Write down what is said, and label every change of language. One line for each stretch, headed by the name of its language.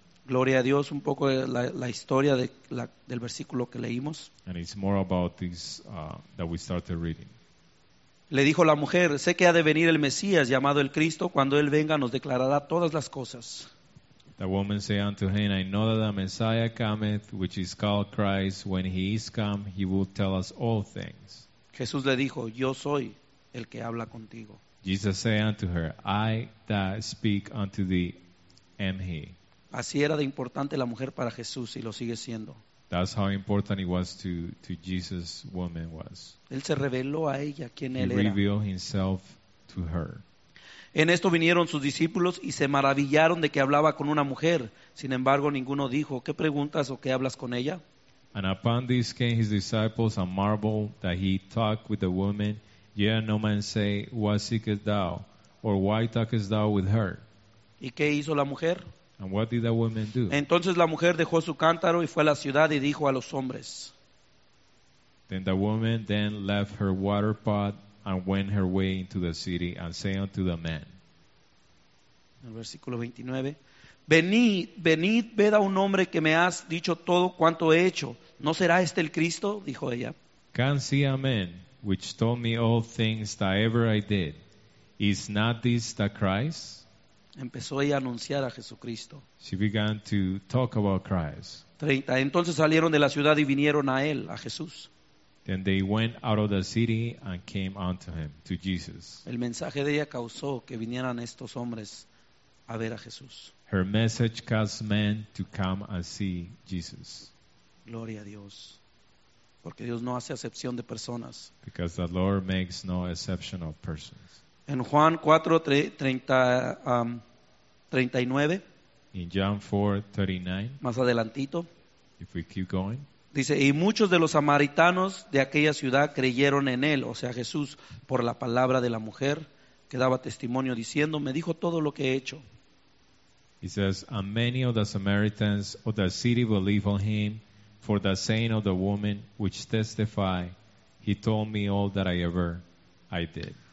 Spanish: Gloria a Dios, un poco de la historia de del versículo que leímos.
English: And it's more about this that we started reading.
Spanish: Le dijo la mujer, sé que ha de venir el Mesías, llamado el Cristo. Cuando él venga, nos declarará todas las cosas.
English: The woman said unto him, I know that the Messiah cometh, which is called Christ. When he is come, he will tell us all things.
Spanish: Jesús le dijo, yo soy el que habla contigo.
English: Jesus said unto her, I that speak unto thee am he.
Spanish: Así era de importante la mujer para Jesús y lo sigue siendo.
English: That's how important it was to Jesus' woman was.
Spanish: Él se reveló a ella quién él era.
English: He revealed himself to her.
Spanish: En esto vinieron sus discípulos y se maravillaron de que hablaba con una mujer. Sin embargo, ninguno dijo, ¿qué preguntas o qué hablas con ella?
English: And upon this came his disciples and marveled that he talked with the woman. Yet no man say, what seekest thou? Or why talkest thou with her?
Spanish: ¿Y qué hizo la mujer?
English: And what did the woman do?
Spanish: Entonces la mujer dejó su cántaro y fue a la ciudad y dijo a los hombres.
English: Then the woman then left her water pot and went her way into the city and said unto the men.
Spanish: Versículo 29. Venid, ved a un hombre que me has dicho todo cuanto he hecho. ¿No será este el Cristo? Dijo ella.
English: Come see a man which told me all things that ever I did. Is not this the Christ?
Spanish: Empezó ella a anunciar a Jesucristo.
English: She began to talk about Christ.
Spanish: 30. Entonces salieron de la ciudad y vinieron a él, a Jesús.
English: Then they went out of the city and came unto him, to Jesus.
Spanish: El mensaje de ella causó que vinieran estos hombres a ver a Jesús.
English: Her message caused men to come and see Jesus.
Spanish: Gloria a Dios. Porque Dios no hace excepción de personas.
English: Because the Lord makes no exception of persons.
Spanish: En Juan 4, 39.
English: In John 4, 39.
Spanish: Más adelantito.
English: If we keep going.
Spanish: Dice, y muchos de los samaritanos de aquella ciudad creyeron en él, o sea, Jesús, por la palabra de la mujer, que daba testimonio diciendo, me dijo todo lo que he hecho.
English: He says, and many of the Samaritans of the city believe on him, for the saying of the woman which testify, he told me all that I did.